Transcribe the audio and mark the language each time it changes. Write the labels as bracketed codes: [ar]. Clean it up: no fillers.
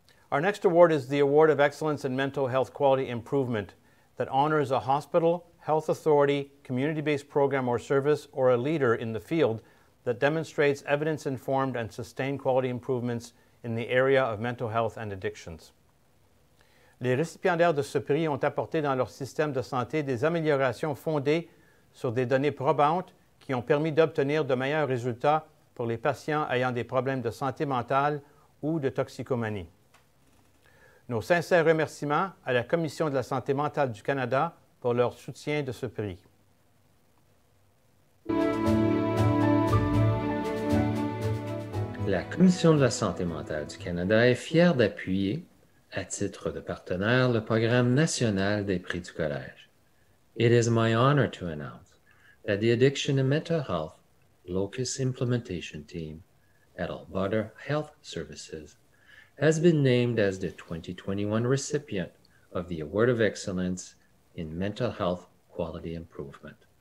[en] Our next award is the Award of Excellence in Mental Health Quality Improvement that honors a hospital, health authority, community-based program or service, or a leader in the field that demonstrates evidence-informed and sustained quality improvements in the area of mental health and addictions. [fr] Les récipiendaires de ce prix ont apporté dans leur système de santé des améliorations fondées sur des données probantes qui ont permis d'obtenir de meilleurs résultats pour les patients ayant des problèmes de santé mentale ou de toxicomanie. Nos sincères remerciements à la Commission de la santé mentale du Canada pour leur soutien de ce prix. La Commission de la santé mentale du Canada est fière d'appuyer, à titre de partenaire, le programme national des prix du Collège. [en] It is my honor to announce that the Addiction and Mental Health Locus Implementation Team at Alberta Health Services has been named as the 2021 recipient of the Award of Excellence in Mental Health Quality Improvement.